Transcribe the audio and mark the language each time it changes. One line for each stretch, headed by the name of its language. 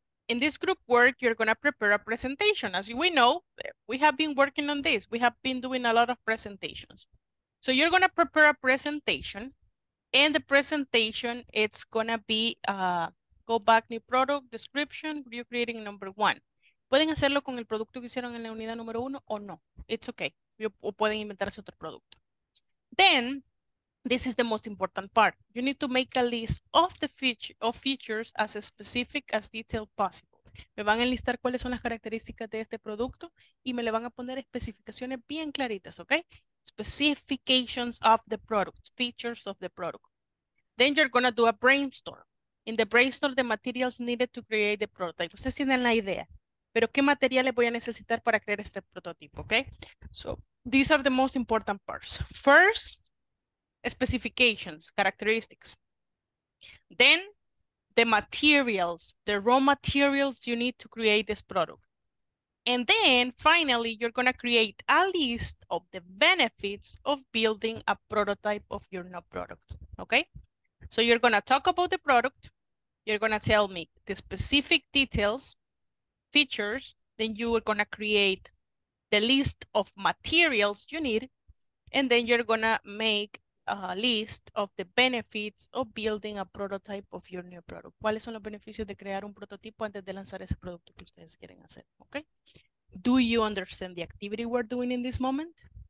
English: In this group work, you're gonna prepare a presentation. As we know, we have been working on this. We have been doing a lot of presentations. So you're gonna prepare a presentation. In the presentation, it's gonna be go back new product description, you're creating number one.
Spanish: Pueden hacerlo con el producto que hicieron en la unidad número uno o no.
English: It's okay.
Spanish: O pueden inventarse otro producto.
English: Then, this is the most important part. You need to make a list of the features as specific as detailed possible.
Spanish: Me van a enlistar cuáles son las características de este producto y me le van a poner especificaciones bien claritas, okay?
English: Specifications of the product, features of the product. Then you're gonna do a brainstorm. In the brainstorm, the materials needed to create the prototype.
Spanish: Ustedes tienen la idea. pero qué materiales voy a necesitar para crear este prototipo, okay?
English: So, these are the most important parts. First, specifications, characteristics. Then, the materials, the raw materials you need to create this product. And then, finally, you're going to create a list of the benefits of building a prototype of your new product, okay? So you're going to talk about the product. You're going to tell me the specific details, features. Then you are going to create the list of materials you need. And then you're going to make a list of the benefits of building a prototype of your new product.
Spanish: ¿Cuáles son los beneficios de crear un prototipo antes de lanzar ese producto que ustedes quieren hacer?
English: Okay. Do you understand the activity we're doing in this moment?